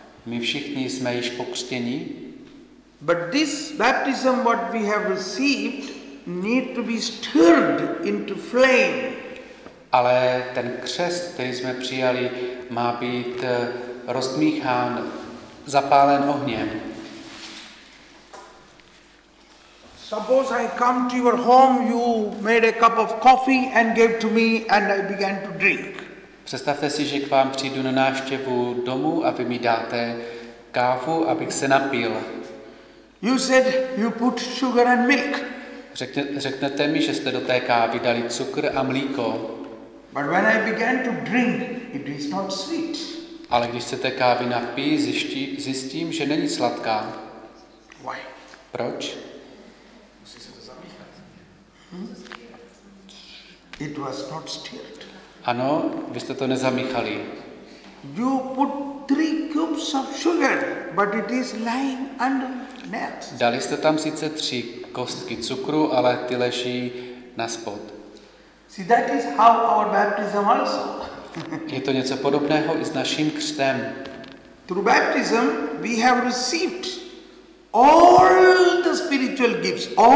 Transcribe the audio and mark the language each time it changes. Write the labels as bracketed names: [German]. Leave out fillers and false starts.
[Czech] My všichni jsme již pokřtěni. [English] But this baptism what we have received need to be stirred into flame. [Czech] Ale ten křest, který jsme přijali, má být rozmíchán, zapálen ohněm. [English] Suppose I come to your home, you made a cup of coffee and gave to me and I began to drink. [Czech] Představte si, že k vám přijdu na návštěvu domů a vy mi dáte kávu, abych se napil. [English] You said you put sugar and milk. [Czech] Řeknete mi, že jste do té kávy dali cukr a mlíko. [English] But when I began to drink, it is not sweet. [Czech] Ale když se té kávy napiju, zjistím, že není sladká. [English] Why? [Czech] Proč? [English] It was not stirred. [Czech] Ano, vy jste to nezamíchali. [English] You put 3 cups of sugar, but it is lying under net. [Czech] Dali jste tam sice 3 kostky cukru, ale ty leží na spod. [English] See, that is how our baptism also. [Czech] Je to něco podobného i s naším křtem. [English] Through baptism we have received all the spiritual gifts.